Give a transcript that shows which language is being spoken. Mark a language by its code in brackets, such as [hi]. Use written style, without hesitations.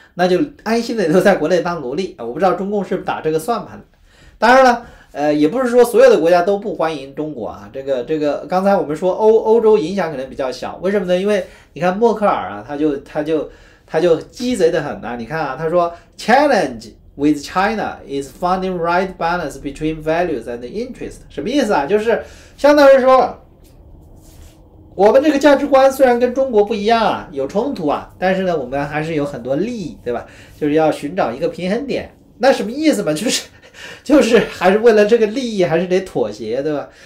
[zh] 那就安心的留在国内当奴隶。我不知道中共是打这个算盘的。当然了，也不是说所有的国家都不欢迎中国啊。这个，刚才我们说欧洲影响可能比较小，为什么呢？因为你看默克尔啊，他就鸡贼得很呐、啊。你看啊，他说 [en] challenge with China is finding right balance between values and interest， [zh] 什么意思啊？就是相当于说，我们这个价值观虽然跟中国不一样啊，有冲突啊，但是呢，我们还是有很多利益，对吧？就是要寻找一个平衡点。那什么意思嘛？就是还是为了这个利益，还是得妥协，对吧？